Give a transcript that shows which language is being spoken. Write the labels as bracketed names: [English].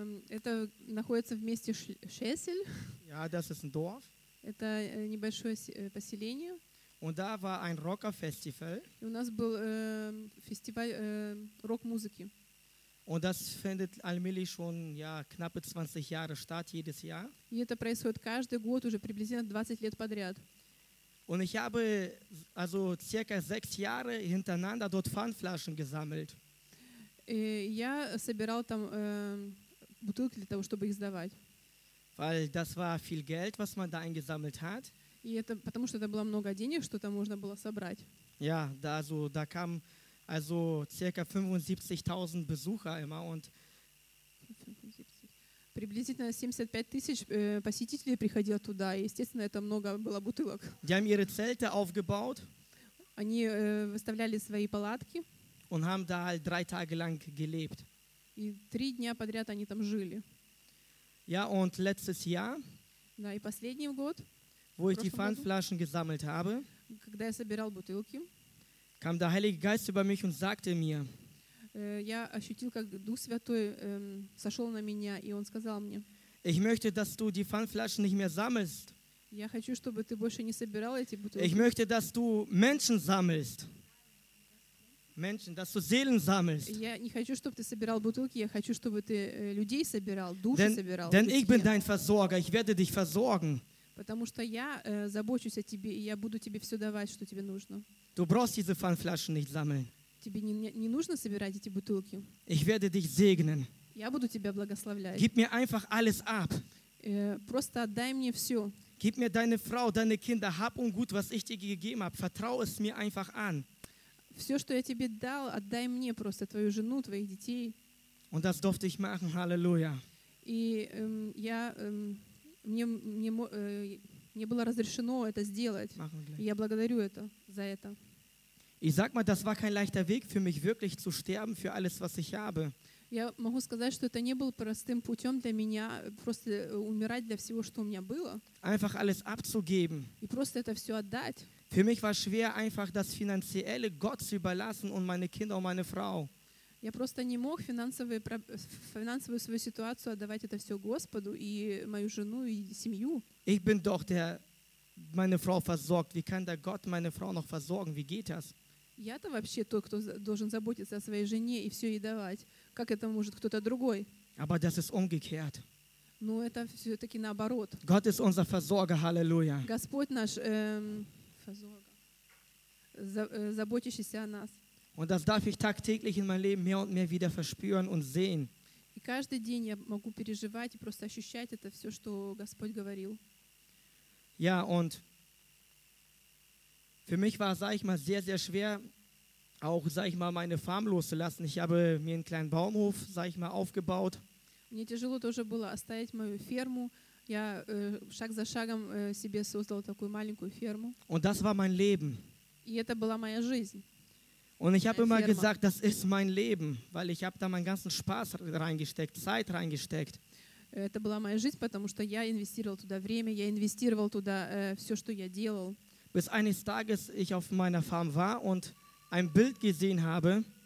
[Russian] Это находится вместе Шесель. [German] Ja, das ist ein Dorf. [Russian] Это небольшое поселение. [German] Und da war ein Rocker-Festival. [Russian] У нас был фестиваль рок-музыки. [German] Und das findet allmählich schon ja knappe 20 Jahre statt jedes Jahr. [Russian] И это происходит каждый год уже приблизительно 20 лет подряд. [German] Und ich habe also circa 6 Jahre hintereinander dort Pfandflaschen gesammelt. [Russian] Я собирал там бутылки для того, чтобы их сдавать. [German] Weil das war viel Geld, was man da eingesammelt hat. [Russian] И это потому, что это было много денег, что там можно было собрать. [German] Ja, da also da kam also circa 75.000 Besucher immer und [Russian] приблизительно 75 тысяч посетителей приходило туда, и, естественно, это много было бутылок. [German] Die haben ihre Zelte aufgebaut. [Russian] Они выставляли свои палатки. [German] Und haben da halt 3 Tage lang gelebt. [Russian] И 3 дня подряд они там жили. [German] Ja, und letztes Jahr. [Russian] Да, и последний год. [German] Wo ich die Pfandflaschen gesammelt habe. [Russian] Когда я собирал бутылки. [German] Kam der Heilige Geist über mich und sagte mir. [Russian] Я ощутил, как Дух Святой сошел на меня, и он сказал мне. [German] Ich möchte, dass du die Pfandflaschen nicht mehr sammelst. [Russian] Я хочу, чтобы ты больше не собирал эти бутылки. [German] Ich möchte, dass du Menschen sammelst. Menschen, dass du Seelen sammelst. [Russian] Я не хочу, чтобы ты собирал бутылки, я хочу, чтобы ты людей собирал, души [German] denn, [Russian] собирал. [German] Denn ich bin dein Versorger, ich werde dich versorgen. [Russian] Потому что я забочусь о тебе, и я буду тебе все давать, что тебе нужно. [German] Du brauchst diese Pfandflaschen nicht sammeln. [Russian] Тебе не нужно собирать эти бутылки. [German] Ich werde dich segnen. [Russian] Я буду тебя благословлять. [German] Gib mir einfach alles ab. [Russian] Просто отдай мне все. [German] Gib mir deine Frau, deine Kinder, hab und gut, was ich dir gegeben habe. Vertrau es mir einfach an. [Russian] Все, что я тебе дал, отдай мне просто твою жену, твоих детей. [German] Und das durfte ich machen, Halleluja. [Russian] И я... Мне было разрешено это сделать. Я благодарю это за это. [German] Ich sag mal, das war kein leichter Weg für mich, wirklich zu sterben für alles, was ich habe. [Russian] Я могу сказать, что это не был простым путем для меня, просто умирать для всего, что у меня было. [German] Einfach alles abzugeben. [Russian] И просто это все отдать. [German] Für mich war schwer, einfach das Finanzielle Gott zu überlassen und meine Kinder und meine Frau. [Russian] Я просто не мог финансовую свою ситуацию отдавать это все Господу и мою жену и семью. [German] Ich bin doch der, meine Frau versorgt. Wie kann der Gott meine Frau noch versorgen? Wie geht das? [Russian] Я-то вообще тот, кто должен заботиться о своей жене и все ей давать. Как это может кто-то другой? [German] Aber das ist umgekehrt. [Russian] Но это все-таки наоборот. [German] Gott ist unser Versorger, Halleluja. [Russian] Господь наш Versorger, заботящийся о нас. [German] Und das darf ich tagtäglich in meinem Leben mehr und mehr wieder verspüren und sehen. [Russian] И каждый день я могу переживать и просто ощущать это все, что Господь говорил. [German] Ja, und für mich war, sag ich mal, sehr, sehr schwer, auch, sag ich mal, meine Farm loszulassen. Ich habe mir einen kleinen Bauernhof, sag ich mal, aufgebaut. [Russian] Мне тяжело тоже было оставить мою ферму. Я шаг за шагом себе создал такую маленькую ферму. [German] Und das war mein Leben. [Russian] И это была моя жизнь. [German] Und ich habe immer gesagt, das ist mein Leben, weil ich habe da meinen ganzen Spaß reingesteckt, Zeit reingesteckt. [Russian] Это была моя жизнь, потому что я инвестировал туда время, я инвестировал туда все, что я делал. [German] Bis eines Tages ich auf meiner Farm war und ein Bild gesehen habe.